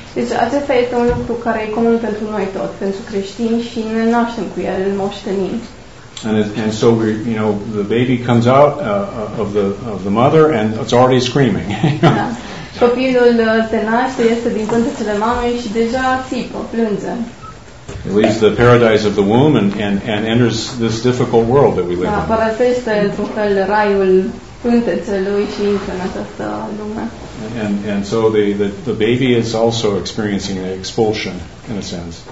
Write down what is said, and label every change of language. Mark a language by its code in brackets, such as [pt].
[ro] Deci acesta este un lucru care e comun pentru noi toți, pentru creștini, și ne naștem cu el, îl moștenim. [en] And so we, you know, the baby comes out of the mother and it's already screaming. [ro] Copilul se naște, iese din pântecele mamei și deja țipă, plânge. [en] It leaves the paradise of the womb and enters this difficult world that we live in. [ro] Părăsește într-un fel raiul pântecelui și intră în această lume. [en] And so the baby is also experiencing an expulsion in a sense.